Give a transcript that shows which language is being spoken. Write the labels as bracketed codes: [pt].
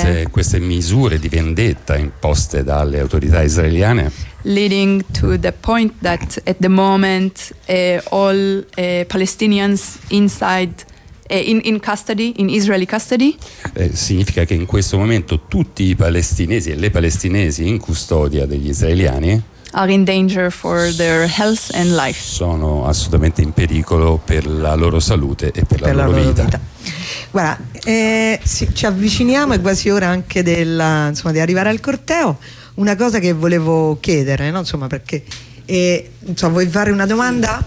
[it] Queste misure di vendetta imposte dalle autorità israeliane. [en] Leading to the point that at the moment all Palestinians inside in custody, in Israeli custody. [it] Significa che in questo momento tutti i palestinesi e le palestinesi in custodia degli israeliani [en] are in danger for their health and life. [it] Sono assolutamente in pericolo per la loro salute e per la loro vita. Guarda, ci avviciniamo, è quasi ora anche insomma, di arrivare al corteo. Una cosa che volevo chiedere, no? Insomma, perché vuoi fare una domanda?